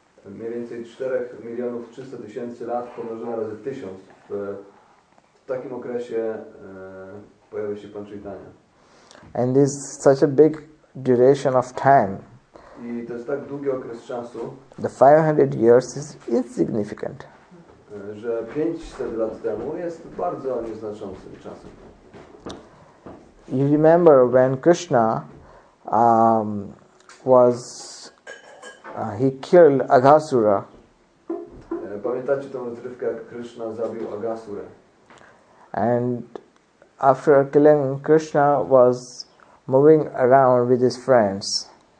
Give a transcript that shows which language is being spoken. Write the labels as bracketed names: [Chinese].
[Polish] mniej więcej 4 milionów 300 tysięcy lat pomnożone razy 1000. W takim okresie pojawia się Pan Chaitanya. [English] And this such a big duration of time. [Polish] I to jest tak długi okres czasu. [English] The 500 years is insignificant. [Polish] Że 500 lat temu jest bardzo nieznaczącym czasem. [English] You remember when Krishna was he killed Agasura. [Polish] Pamiętacie tą rozrywkę, jak Krishna zabił Agasurę. [English] And after killing Krishna was moving around with his friends.